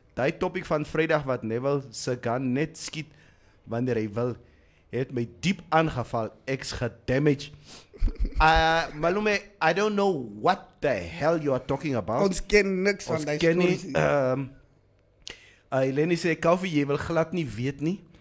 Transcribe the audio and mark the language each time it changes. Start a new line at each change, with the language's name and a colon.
Afrikaans: Die topic van Vrijdag wat Neville se gun net skiet wanneer hy wil, het my diep aangeval. Ek's gedamaged.
English: Malume, I don't know what the hell you are talking about.
Afrikaans: Ons ken niks van die story. Eleni sê, Kaufie, jy wil glad nie weet nie.